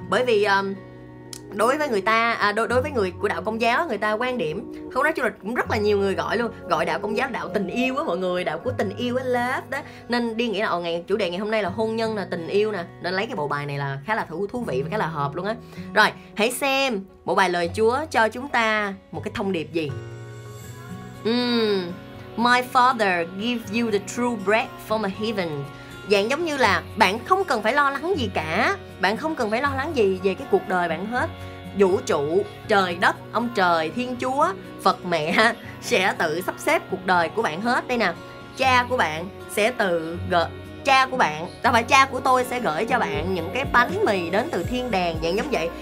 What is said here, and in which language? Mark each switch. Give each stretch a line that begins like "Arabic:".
Vietnamese: Bởi vì đối với người của đạo Công giáo, người ta quan điểm, không nói chung là cũng rất là nhiều người gọi luôn, gọi đạo Công giáo đạo tình yêu á mọi người, đạo của tình yêu á, love đó. Nên đi nghĩ là chủ đề ngày hôm nay là hôn nhân nè, tình yêu nè, nên lấy cái bộ bài này là khá là thú vị và khá là hợp luôn á. Rồi, hãy xem bộ bài lời Chúa cho chúng ta một cái thông điệp gì.
English: My father gives you the true bread from a heaven.
Vietnamese: Dạng giống như là bạn không cần phải lo lắng gì cả. Bạn không cần phải lo lắng gì về cái cuộc đời bạn hết. Vũ trụ, trời đất, ông trời, thiên chúa, Phật mẹ sẽ tự sắp xếp cuộc đời của bạn hết. Đây nè, cha của bạn sẽ tự gợi cha của bạn, đâu phải cha của tôi sẽ gửi cho bạn những cái bánh mì đến từ thiên đàng, dạng giống vậy.